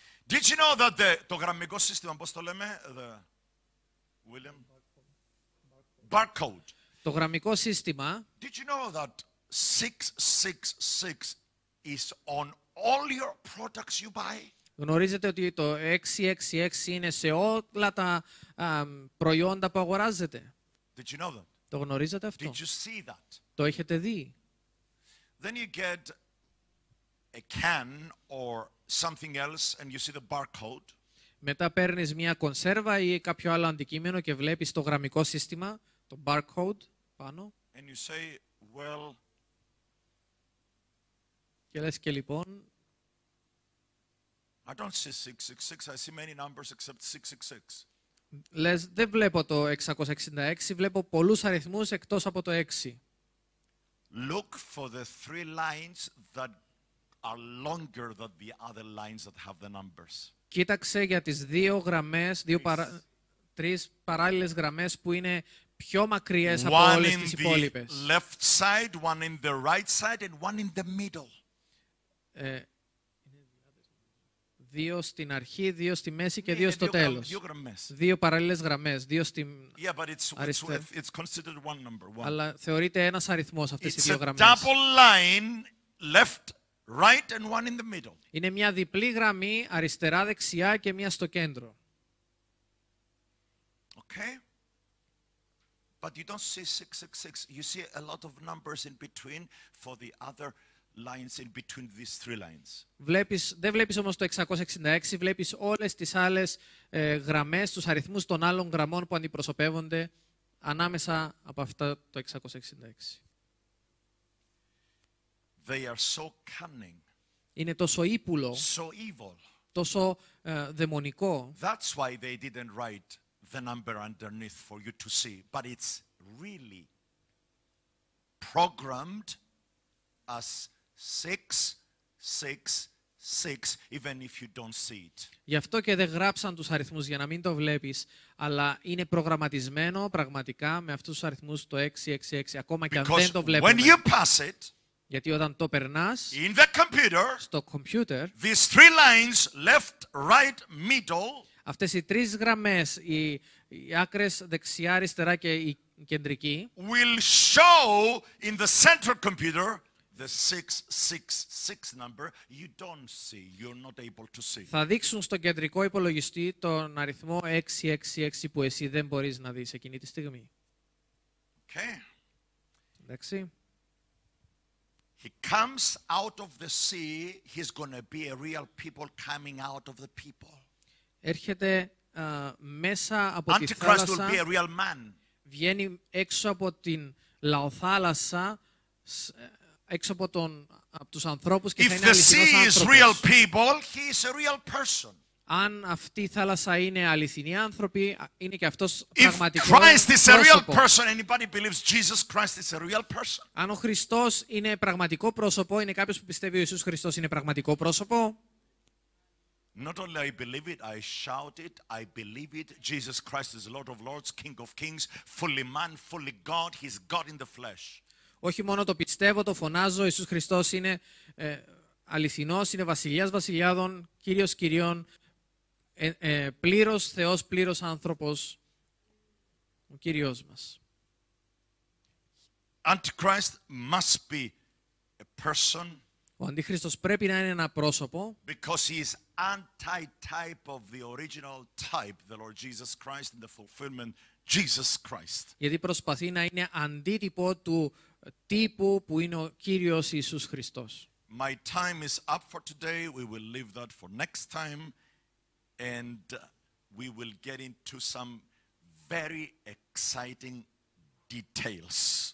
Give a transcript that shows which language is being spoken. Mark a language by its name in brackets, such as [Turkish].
[English] Did you know that [Greek] το γραμμικό σύστημα, πώς το λέμε, [English] the William Barcode. [Greek] Το γραμμικό σύστημα. [English] Did you know that 666 is on all your products you buy? [Greek] Γνωρίζετε ότι το 666 είναι σε όλα τα προϊόντα που αγοράζετε. [English] Did you know that? [Greek] Το γνωρίζετε αυτό? [English] Did you see that? [Greek] Το έχετε δει? [English] Then you get a can or something else and you see the barcode. [Greek] Μετά παίρνεις μια κονσέρβα ή κάποιο άλλο αντικείμενο και βλέπεις το γραμμικό σύστημα, το barcode πάνω. [English] And you say, well, [Greek] και λες και λοιπόν, [English] I don't see 666, I see many numbers except 666. [Greek] Λες, δεν βλέπω το 666, βλέπω πολλούς αριθμούς εκτός από το 6. [English] Look for the three lines that are longer than the other lines that have the numbers. [Greek] Κοίταξε για τις δύο γραμμές, τρεις παράλληλες γραμμές που είναι πιο μακριές από όλες τις υπόλοιπες. [English] One in the left side, one in the right side, and one in the middle. [Greek] Δύο στην αρχή, δύο στη μέση και δύο στο τέλος. Δύο παράλληλες γραμμές, δύο στην αριστερή. Αλλά θεωρείται ένας αριθμός αυτές οι δύο γραμμές. [English] Double line, left, right, and one in the middle. [Greek] Είναι μια διπλή γραμμή, αριστερά, δεξιά και μια στο κέντρο. [English] Okay. But you don't see 666. You see a lot of numbers in between for the other lines in between these three lines. [Greek] Βλέπεις, δεν βλέπεις όμως το 666, βλέπεις όλες τις άλλες γραμμές, τους αριθμούς των άλλων γραμμών που αντιπροσωπεύονται ανάμεσα από αυτά το 666. [English] They are so cunning. [Greek] Είναι τόσο ύπουλο. [English] So evil. [Greek] Τόσο δαιμονικό. [English] That's why they didn't write the number underneath for you to see, but it's really programmed as 666, even if you don't see it. [Greek] Γι' αυτό και δεν γράψαν τους αριθμούς για να μην το βλέπεις, αλλά είναι προγραμματισμένο πραγματικά με αυτούς τους αριθμούς το 666, ακόμα και αν δεν το βλέπουμε. [English] When you pass it, [Greek] γιατί όταν το περνάς [English] in the computer, [Greek] στο computer, [English] these three lines, left, right, middle, [Greek] αυτές οι τρεις γραμμές, οι άκρες δεξιά, αριστερά και η κεντρική, [English] will show in the central computer the 666 number you don't see, you're not able to see. [Greek] Θα δείξουν στον κεντρικό υπολογιστή τον αριθμό 666 που εσύ δεν μπορείς να δεις εκείνη τη στιγμή. [English] Okay. [Greek] Εντάξει. [English] He comes out of the sea, he's going to be a real people coming out of the people. [Greek] Έρχεται μέσα από τη θάλασσα. [English] Will be a real man. [Greek] Βγαίνει έξω από την λαοθάλασσα, έξω από τον, από τους ανθρώπους και [English] if [Greek] θα είναι αληθινός άνθρωπος. [English] If the sea is real people, he is a real person. [Greek] Αν αυτή η θάλασσα είναι αληθινή άνθρωποι, είναι και αυτός πραγματικός. [English] If Christ is a real person, anybody believes Jesus Christ is a real person. [Greek] Αν ο Χριστός είναι πραγματικό πρόσωπο, είναι κάποιος που πιστεύει ο Ιησούς Χριστός είναι πραγματικό πρόσωπο. [English] Not only I believe it, I shout it, I believe it. Jesus Christ is Lord of Lords, King of Kings, fully man, fully God. He's God in the flesh. [Greek] Όχι μόνο το πιστεύω, το φωνάζω, Ιησούς Χριστός είναι αληθινός, είναι βασιλιάς βασιλιάδων, Κύριος κυρίων, πλήρως Θεός, πλήρως άνθρωπος, ο Κύριος μας. [English] Antichrist must be a person. [Greek] Ο Αντίχριστος πρέπει να είναι ένα πρόσωπο. [English] Because he is anti-type of the original type, the Lord Jesus Christ in the fulfillment Jesus Christ. [Greek] Γιατί προσπαθεί να είναι αντίτυπο του τύπου που είναι ο Κύριος Ιησούς Χριστός. [English] My time is up for today. We will leave that for next time. And we will get into some very exciting details.